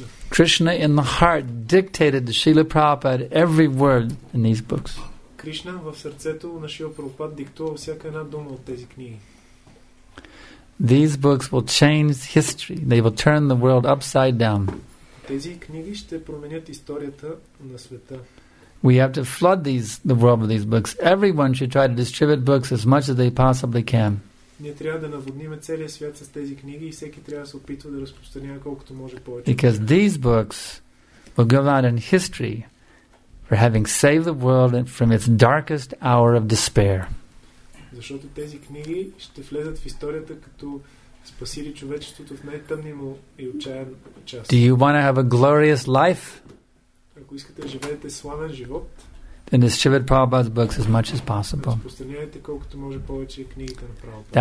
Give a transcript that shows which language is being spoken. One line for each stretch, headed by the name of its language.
English: Krishna in the heart dictated to Srila Prabhupada every word in these books.
Bulgarian: Krishna в сърцето на Шрила Прабхупада диктува всяка една дума от тези книги.
English: These books will change history. They will turn the world upside down.
Bulgarian: Тези книги ще променят историята на света.
English: We have to flood the world with these books. Everyone should try to distribute books as much as they possibly can.
Bulgarian: Ние трябва да наводним целия свят с тези книги и всеки трябва да се опитва да разпространява колкото може повече.
English: Because these books will go out in history for having saved the world from its darkest hour of despair.
Bulgarian: Защото тези книги ще влезат в историята като спасили човечеството в най-тъмния му и отчаян час.
English: Do you want to have a glorious life?
Bulgarian: Ако искате да живеете славен живот,
English: then distribute Prabhupada's books as much as possible.
Bulgarian: Разпространявайте колкото може повече книгите на Прабхупада.